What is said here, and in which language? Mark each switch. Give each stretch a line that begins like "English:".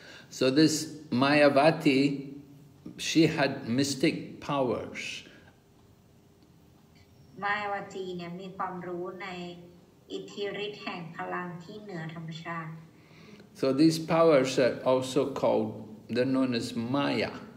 English: So this Mayavati, she had mystic powers.
Thai: Mayavati มีความรู้ในอิทธิฤทธิ์แห่งพลังที่เหนือธรรมชาติ.
English: So these powers are also called, they're known as Maya.